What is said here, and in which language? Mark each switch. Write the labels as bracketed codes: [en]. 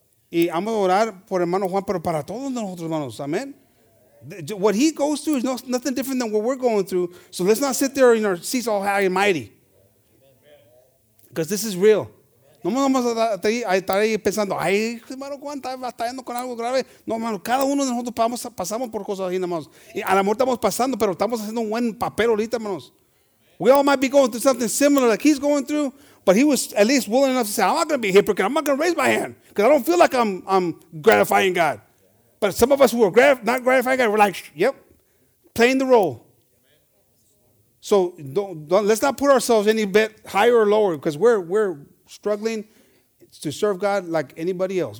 [es] Y vamos a orar por hermano Juan, pero para todos nosotros, hermanos. Amen. [en] What he goes through is nothing different than what we're going through. So let's not sit there in our seats all high and mighty. Because this is real. [es] No vamos a estar ahí pensando, ay, hermano Juan, está batallando con algo grave. No, hermano, cada uno de nosotros pasamos por cosas así, hermanos. Y a la muerte estamos pasando, pero estamos haciendo un buen papel ahorita, hermanos. [en] We all might be going through something similar like he's going through, but he was at least willing enough to say, I'm not going to be a hypocrite. I'm not going to raise my hand because I don't feel like I'm gratifying God. But some of us who are not gratifying God, we're like, yep, playing the role. So let's not put ourselves any bit higher or lower because we're struggling to serve God like anybody else.